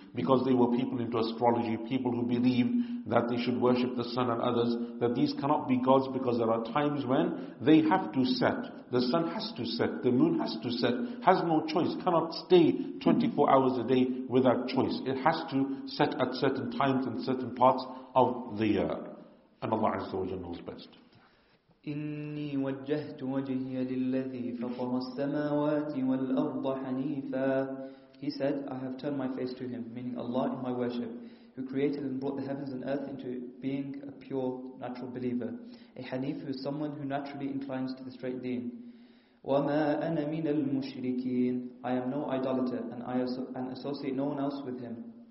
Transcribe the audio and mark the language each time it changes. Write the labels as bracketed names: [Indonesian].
[English] Because they were people into astrology, people who believed that they should worship the sun and others, that these cannot be gods, because there are times when they have to set. The sun has to set, the moon has to set, has no choice, cannot stay 24 hours a day without choice. It has to set at certain times and certain parts of the year. And Allah Azza wa Jalla knows best. [Arabic] إني وجهت وجهي للذي فطر السماوات والأرض حنيفا. [English] He said, "I have turned my face to him," meaning Allah, "in my worship. who created and brought the heavens and earth into being a pure natural believer. A Hanif, who is someone who naturally inclines to the straight deen. [Arabic] وَمَا أَنَا مِنَ الْمُشْرِكِينَ [English] I am no idolater and I associate no one else with him.